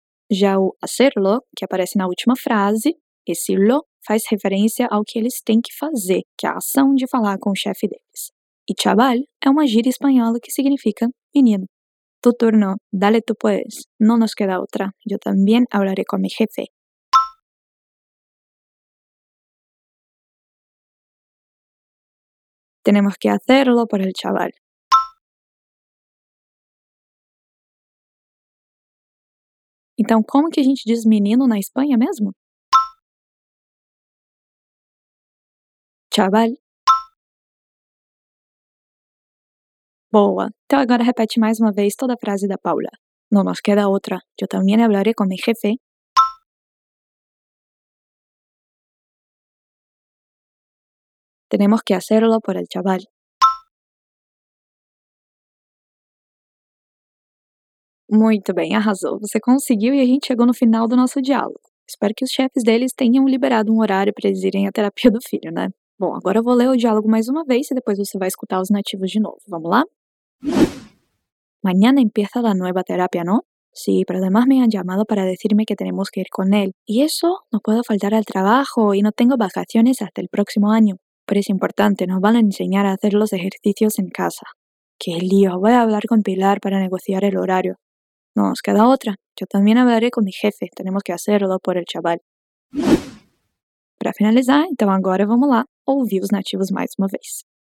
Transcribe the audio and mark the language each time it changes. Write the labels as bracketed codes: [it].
[pt] Já o hacerlo, que aparece na última frase, esse lo faz referência ao que eles têm que fazer, que é a ação de falar com o chefe deles. E chaval é uma gíria espanhola que significa menino. [es] Tu turno, dale tu puedes. No nos queda otra. Yo también hablaré con mi jefe. Tenemos que hacerlo por el chaval. [pt] Então, como que a gente diz menino na Espanha mesmo? [es] Chaval. [pt] Boa. Então, agora repete mais uma vez toda a frase da Paula. [es] No nos queda outra. Yo también hablaré con mi jefe. Tenemos que hacerlo por el chaval. [pt] Muito bem, arrasou. Você conseguiu e a gente chegou no final do nosso diálogo. Espero que os chefes deles tenham liberado um horário para eles irem à terapia do filho, né? Bom, agora eu vou ler o diálogo mais uma vez e depois você vai escutar os nativos de novo. Vamos lá? [es] Mañana empieza la nueva terapia, ¿no? Sí, pero además me han llamado para decirme que tenemos que ir con él. Y eso, no puedo faltar al trabajo y no tengo vacaciones hasta el próximo año. Pero es importante, nos van a enseñar a hacer los ejercicios en casa. ¡Qué lío! Voy a hablar con Pilar para negociar el horario. No, nos queda otra. Yo también hablaré con mi jefe. Tenemos que hacerlo por el chaval. [pt] Para finalizar, então agora vamos lá ouvir os nativos mais uma vez.